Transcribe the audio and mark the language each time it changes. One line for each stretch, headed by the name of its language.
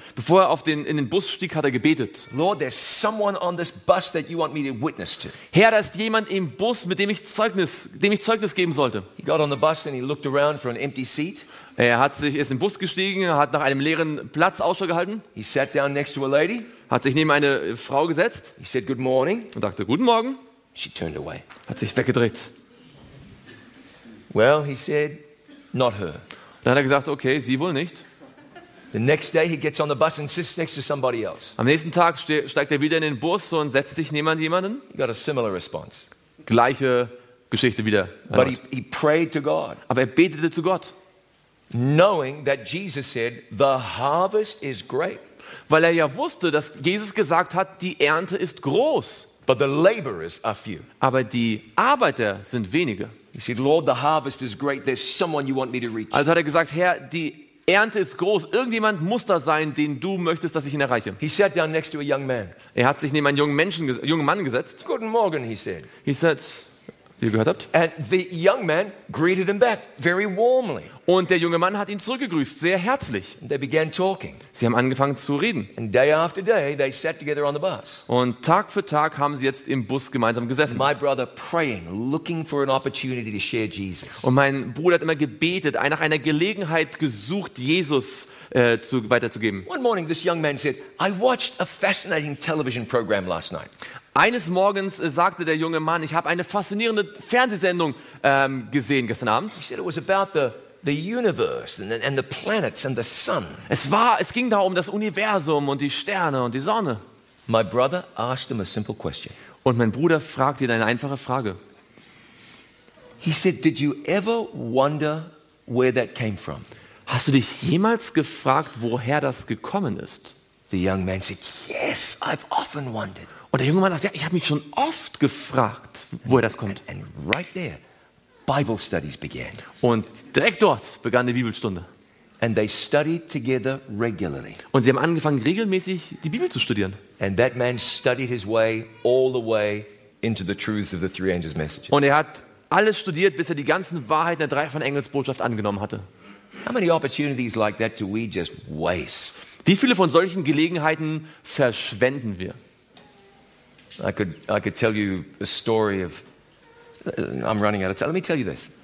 German: Bevor er in den Bus stieg, hat er gebetet.
English: Lord, there's someone on this bus that you want me to witness to.
German: Herr, da ist jemand im Bus, mit dem ich Zeugnis geben sollte.
English: He got on the bus and he looked around for an empty seat.
German: Er ist im Bus gestiegen, hat nach einem leeren Platz Ausschau gehalten.
English: He sat down next to a lady.
German: Hat sich neben eine Frau gesetzt.
English: He said good morning.
German: Und sagte guten Morgen.
English: She turned away.
German: Hat sich weggedreht.
English: Well, he said, not her.
German: Dann hat er gesagt, okay, sie wohl nicht.
English: The next day he gets on the bus and sits next to somebody else.
German: Am nächsten Tag steigt er wieder in den Bus und setzt sich neben jemanden.
English: He got a similar response.
German: Gleiche Geschichte wieder.
English: But he prayed to God.
German: Aber er betete zu Gott.
English: Knowing that Jesus said the harvest is great.
German: Weil er ja wusste, dass Jesus gesagt hat, die Ernte ist groß.
English: But the laborers are few.
German: Aber die Arbeiter sind wenige.
English: He said, Lord, the harvest is great. There's someone you want me to reach.
German: Also hat er gesagt, Herr, die Ernte ist groß. Irgendjemand muss da sein, den du möchtest, dass ich ihn erreiche.
English: He sat down next to a young man.
German: Er hat sich neben einen jungen Mann gesetzt. Guten Morgen,
English: he said. He said,
German: wie ihr gehört habt.
English: And the young man greeted him back very warmly.
German: Und der junge Mann hat ihn zurückgegrüßt, sehr herzlich.
English: And they began talking.
German: Sie haben angefangen zu reden.
English: And day after day they sat together on the bus.
German: Und Tag für Tag haben sie jetzt im Bus gemeinsam gesessen.
English: My brother praying, looking for an opportunity to share Jesus.
German: Und mein Bruder hat immer gebetet, nach einer Gelegenheit gesucht, Jesus weiterzugeben.
English: One morning this young man said, I watched a fascinating television program last night.
German: Eines Morgens sagte der junge Mann, ich habe eine faszinierende Fernsehsendung gesehen gestern Abend.
English: He said it was about the the universe and the planets and the sun.
German: Es ging da um das Universum und die Sterne und die Sonne.
English: My brother asked him a simple question.
German: Und mein Bruder fragte ihn eine einfache Frage.
English: He said, "Did you ever wonder where that came from?"
German: Hast du dich jemals gefragt, woher das gekommen ist?
English: The young man said, "Yes, I've often wondered."
German: Und der junge Mann sagt, ja, ich habe mich schon oft gefragt, woher das kommt.
English: And right there, Bible studies began.
German: Und direkt dort begann die Bibelstunde.
English: And they studied together regularly.
German: Und sie haben angefangen, regelmäßig die Bibel zu studieren.
English: And that man studied his way all the way into the truths of the three angels messages.
German: Und er hat alles studiert, bis er die ganzen Wahrheiten der drei von Engelsbotschaft angenommen hatte.
English: How many opportunities like that do we just waste?
German: Wie viele von solchen Gelegenheiten verschwenden wir?
English: I could tell you a story of. I'm running out of time. Let me tell you this.